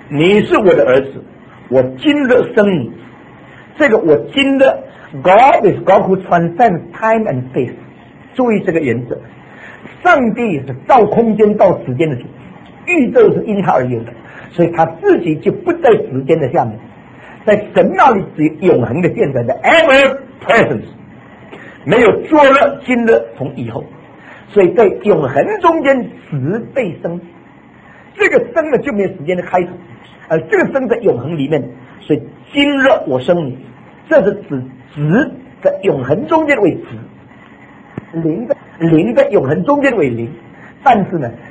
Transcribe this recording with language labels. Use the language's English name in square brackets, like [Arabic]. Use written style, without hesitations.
[Chinese] 你是我的儿子，我今日生你。 [English] 这个我今日，God is God who transcends time and space。 [Chinese] 注意这个原则，上帝是造空间、造时间的主，宇宙是因他而有的，所以他自己就不在时间的下面，在神那里是永恒的现在的 ever presence，没有昨日、今日、从以后，所以在永恒中间时被生，这个生呢就没有时间的开始，而这个生在永恒里面，所以今日我生你，这是指时在永恒中间为时，灵在永恒中间为灵，但是呢